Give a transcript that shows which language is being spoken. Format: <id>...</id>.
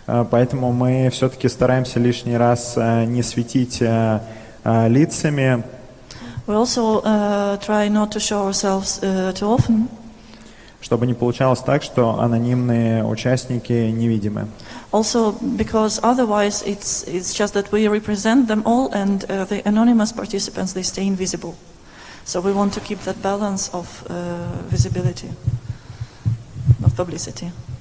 <ru>Поэтому мы все-таки стараемся лишний раз не светить лицами.</ru> <en>We also try not to show ourselves too often.</en> <ru>Чтобы не получалось так, что анонимные участники невидимы.</ru> <en>Also, because otherwise it's just that we represent them all and the anonymous participants, they stay invisible. So we want to keep that balance of visibility, of publicity.</en>